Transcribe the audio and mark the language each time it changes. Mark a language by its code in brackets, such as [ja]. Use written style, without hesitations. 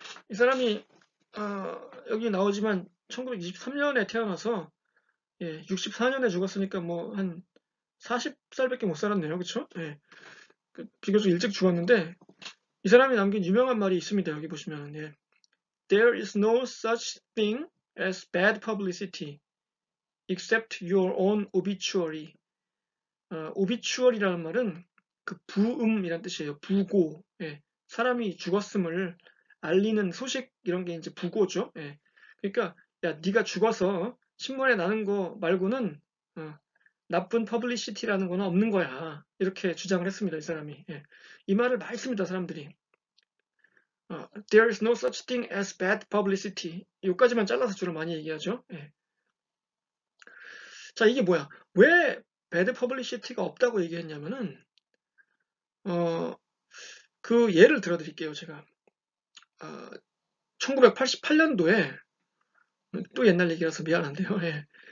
[ko] 이 사람이, 여기 나오지만 1923년에 태어나서, 예, 64년에 죽었으니까 뭐한 40살밖에 못 살았네요. 그쵸? 예. 비교적 일찍 죽었는데, 이 사람이 남긴 유명한 말이 있습니다. 여기 보시면은, 예. [en] There is no such thing as bad publicity except your own obituary. [ko] 오비추어리라는 말은 그 부음이란 뜻이에요. 부고. 예. 사람이 죽었음을 알리는 소식, 이런 게 이제 부고죠. 예. 그러니까, 야, 네가 죽어서 신문에 나는 거 말고는, 나쁜 퍼블리시티라는 거는 없는 거야, 이렇게 주장을 했습니다, 이 사람이. 예. 이 말을 많이 씁니다, 사람들이. [en] There is no such thing as bad publicity. [ko] 여기까지만 잘라서 주로 많이 얘기하죠. 예. 자, 이게 뭐야? 왜 [en] bad publicity [ko] 가 없다고 얘기했냐면은, 그 예를 들어 드릴게요, 제가. 1988년도에, 또 옛날 얘기라서 미안한데요. 예.